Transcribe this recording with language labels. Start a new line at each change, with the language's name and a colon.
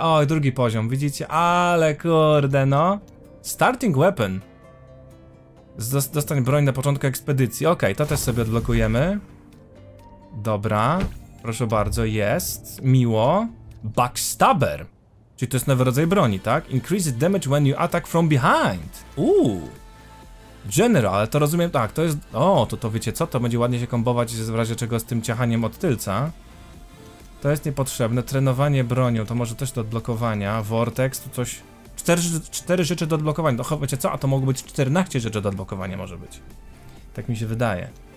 Polish: O, drugi poziom, widzicie? Ale kurde, no.
English: Starting weapon.
Polish: Dostań broń na początku ekspedycji. Okej, to też sobie odblokujemy. Dobra. Proszę bardzo, jest. Miło. Backstabber. Czyli to jest nowy rodzaj broni, tak?
English: Increase damage when you attack from behind.
Polish: Uuu. General, ale to rozumiem... Tak, to jest... O, to wiecie co? To będzie ładnie się kombować w razie czego z tym ciachaniem od tylca. To jest niepotrzebne. Trenowanie bronią, to może też do odblokowania. Vortex, tu coś... 4 rzeczy do odblokowania. No wiecie co, a to mogło być 14 rzeczy do odblokowania może być. Tak mi się wydaje.